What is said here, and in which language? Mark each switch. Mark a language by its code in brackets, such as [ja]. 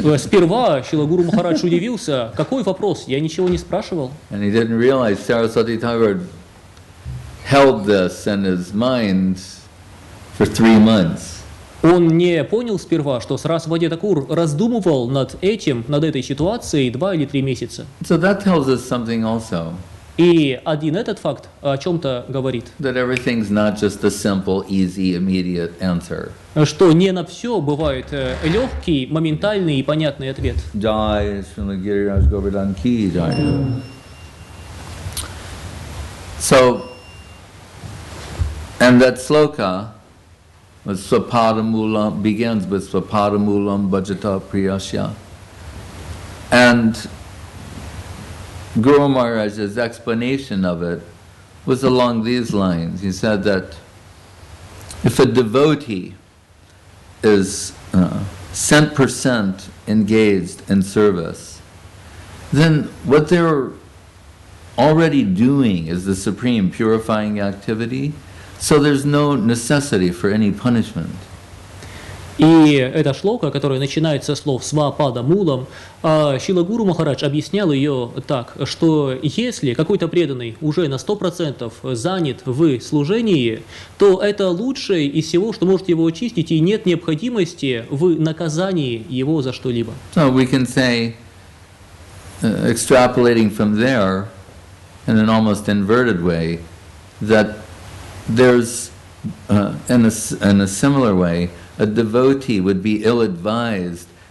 [ru] Сперва Шрила Гуру Махарадж удивился: какой вопрос? Я ничего не спрашивал. [en] And he didn't realize Saraswati Thakur held this in his mind for 3 months. [ru] Он не понял сперва, что Сарасвати Такур раздумывал над этим, над этой ситуацией 2 или 3 месяца. [en] So that tells us something also. [ru] И один этот факт о чем-то говорит. [en] That everything's not just a simple, easy, immediate answer. [ru] Что не на все бывает легкий, моментальный и понятный ответ. [hi] Jai Srila Giriraj Govardhan Ki Jai. [en] So, and that sloka was Swapadamulam, begins with [sa] Swapadamulam Bhajata Priyasya. [en] And Guru Maharaj's explanation of it was along these lines. He said that if a devotee is 100% engaged in service, then what they're already doing is the supreme purifying activity, so there's no necessity for any punishment. [ru] И эта шлока, которая начинается со слов «свапада мулам», Шрила Гуру Махарадж объяснял ее так, что если какой-то преданный уже на 100% занят в служении, то это лучшее из всего, что может его очистить, и нет необходимости в наказании его за что-либо. [en] So we can say, extrapolating from there, in an almost inverted way, that there's, in a similar way, a devotee would be ill-advised